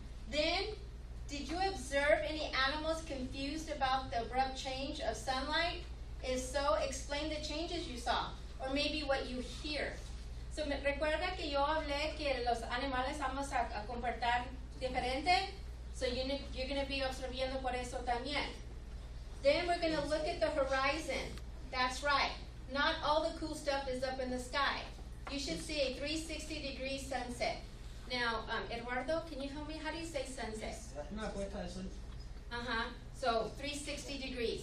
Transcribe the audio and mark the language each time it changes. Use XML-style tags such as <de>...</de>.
<en>Then, did you observe any animals confused about the abrupt change of sunlight? If so, explain the changes you saw, or maybe what you hear.</en> <es>So recuerda que yo hablé que los animales vamos a comportar diferente.</es> <en>So you're going to be</en> <es>observando por eso también.</es> <en>Then we're going to look at the horizon. That's right. Not all the cool stuff is up in the sky. You should see a 360-degree sunset. Now, Eduardo, can you help me? How do you say sunset?</en> <es>Una puesta de sol.</es> <en>Uh-huh. So 360 degrees.</en>